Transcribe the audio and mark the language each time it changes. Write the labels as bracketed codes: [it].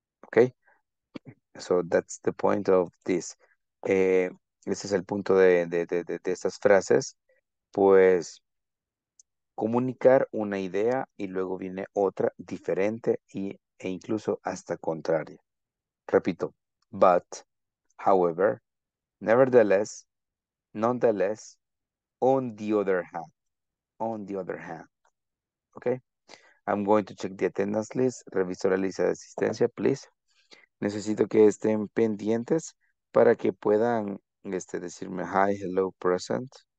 [en] Okay, so that's the point of this. [es] Ese es el punto de estas frases. Pues, comunicar una idea y luego viene otra diferente e incluso hasta contraria. Repito, [en] but, however, nevertheless, nonetheless, on the other hand. On the other hand. Okay, I'm going to check the attendance list. [es] Reviso la lista de asistencia, please. Necesito que estén pendientes para que puedan decirme [en] hi, hello, present.